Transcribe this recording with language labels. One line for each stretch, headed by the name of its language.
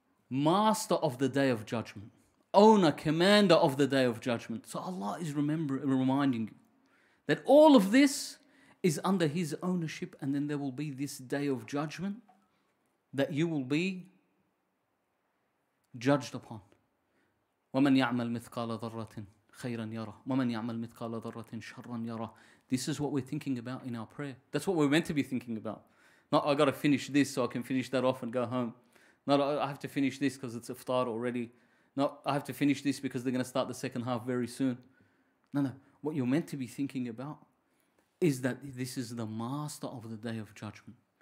English: Master of the Day of Judgment. Owner, Commander of the Day of Judgment. So Allah is reminding you that all of this is under His ownership, and then there will be this Day of Judgment that you will be judged upon.
Arabic: وَمَنْ يَعْمَلْ مِثْقَالَ ذَرَّةٍ خَيْرًا يَرَى وَمَنْ يَعْمَلْ مِثْقَالَ ذَرَّةٍ شَرًّا يَرَى
English: This is what we're thinking about in our prayer. That's what we're meant to be thinking about. Not, I got to finish this so I can finish that off and go home. Not, I have to finish this because it's iftar already. Not, I have to finish this because they're going to start the second half very soon. No, no. What you're meant to be thinking about is that this is the master of the Day of Judgment.